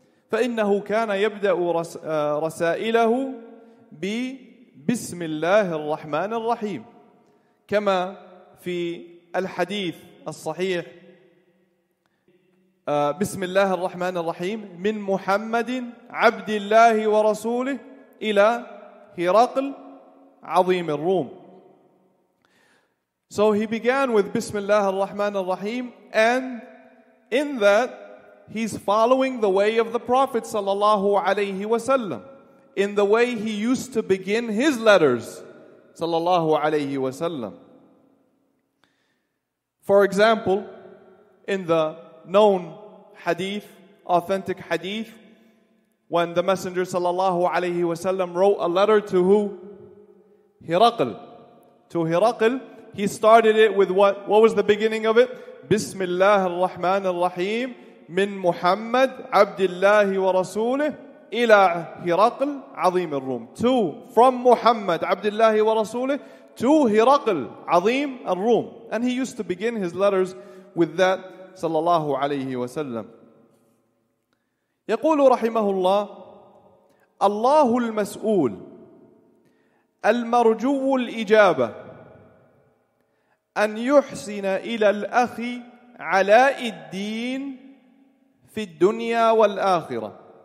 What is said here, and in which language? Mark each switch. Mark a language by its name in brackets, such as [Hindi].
[Arabic] فإنه كان يبدأ رسائله ب بسم الله الرحمن الرحيم كما في الحديث الصحيح بسم الله الرحمن الرحيم من محمد عبد الله ورسوله إلى هرقل عظيم الروم. [English] So he began with [Arabic] بسم الله الرحمن الرحيم, [English] and in that he's following the way of the Prophet صلى الله عليه وسلم, in the way he used to begin his letters, sallallahu alayhi wa sallam. For example, in the known hadith, authentic hadith, when the Messenger sallallahu alayhi wa sallam wrote a letter to who? Hiraql. To Hiraql, he started it with what? What was the beginning of it? [Arabic] Bismillah ar-Rahman ar-Rahim, min Muhammad, abdillahi wa rasulih, إلى هرقل عظيم الروم. [English] To, from Muhammad, Abdullah wa Rasulih, to [Arabic] هرقل عظيم الروم. [English] And he used to begin his letters with that, صلى الله عليه وسلم. [Arabic] يقول رحمه الله, الله المسؤول المرجو الإجابة أن يحسن إلى الأخ علاء الدين في الدنيا والآخرة.